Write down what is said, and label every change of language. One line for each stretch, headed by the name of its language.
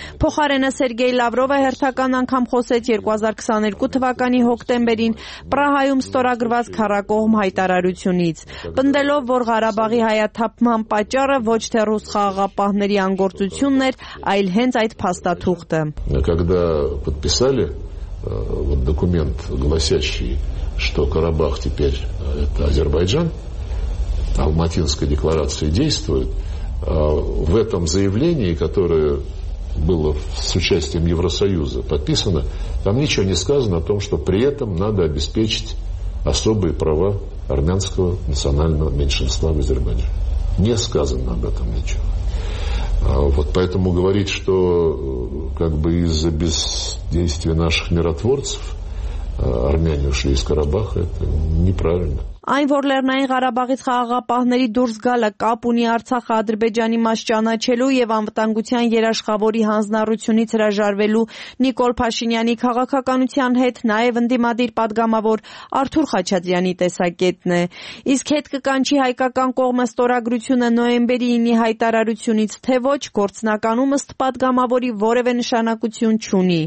Armenian: Փոխարենը Սերգեյ Լավրովը հերթական անգամ խոսեց 2022 թվականի հոկտեմբերին Պրահայում ստորագրված քառակողմ հայտարարությունից, պնդելով, որ Ղարաբաղի հայաթափման պատճառը ոչ թե ռուս խաղաղապահ պահների անգործությունն էր, այլ հենց այդ փաստաթուղթը։
Russian: Когда подписали вот документ, гласящий, что Карабах теперь это Азербайджан, Алматинская декларация действует, в этом заявлении, которое было с участием Евросоюза подписано, там ничего не сказано о том, что при этом надо обеспечить особые права армянского национального меньшинства в Азербайджане. Не сказано об этом ничего. Вот поэтому говорить, что как бы из-за бездействия наших миротворцев армяне ушли из Карабаха, это неправильно.
Armenian: Այն որ Լեռնային Ղարաբաղից խաղաղապահների դուրս գալը կապ ունի Արցախ-Ադրբեջանի մաս ճանաչելու եւ անվտանգության երաշխավորի հանձնառությունից հրաժարվելու Նիկոլ Փաշինյանի քաղաքականության հետ նաեւ ընդդիմադիր падգամավոր Արթուր Խաչատրյանի տեսակետն է։ Իսկ հետ կկանչի հայկական կողմը ստորագրությունը նոեմբերի 9-ի հայտարարությունից, թե ոչ գործնականում ըստ падգամավորի որևէ նշանակություն չունի։